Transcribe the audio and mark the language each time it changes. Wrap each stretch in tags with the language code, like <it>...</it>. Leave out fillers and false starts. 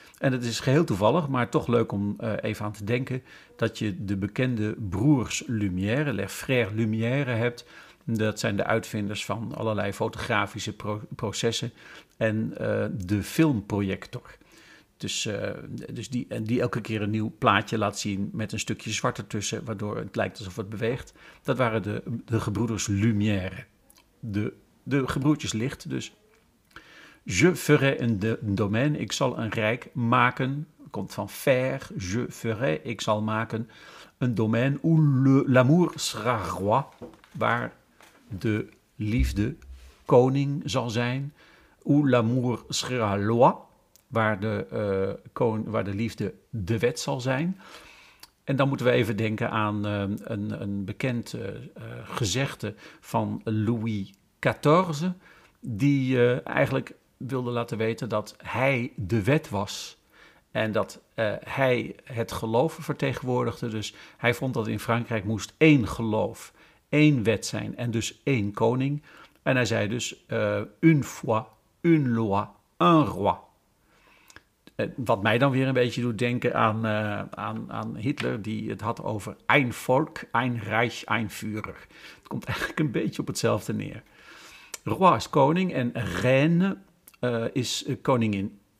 <nl>En het is geheel toevallig, maar toch leuk om even aan te denken, dat je de bekende broers Lumière,</nl> <fr>les frères Lumière,</fr> <nl>hebt. Dat zijn de uitvinders van allerlei fotografische processen en de filmprojector. Dus die elke keer een nieuw plaatje laat zien met een stukje zwart ertussen, waardoor het lijkt alsof het beweegt. Dat waren de gebroeders Lumière. De gebroertjes Licht, dus.</nl> <fr>Je ferai un domaine,</fr> <nl>ik zal een rijk maken, komt van faire,</nl> <fr>je ferai,</fr> <nl>ik zal maken een</nl> <fr>domaine où l'amour sera roi,</fr> <nl>waar de liefde koning zal zijn,</nl> <fr>où l'amour sera loi,</fr> <nl>waar waar de liefde de wet zal zijn. En dan moeten we even denken aan een bekend gezegde van Louis XIV, die eigenlijk wilde laten weten dat hij de wet was en dat hij het geloof vertegenwoordigde. Dus hij vond dat in Frankrijk moest één geloof, één wet zijn en dus één koning. En hij zei dus,</nl> <fr>une foi, une loi, un roi.</fr> <nl>Wat mij dan weer een beetje doet denken aan Hitler, die het had over</nl> <de>ein Volk, ein Reich, ein Führer.</de> <nl>Het komt eigenlijk een beetje op hetzelfde neer. Roi is koning en reine is koningin.</nl>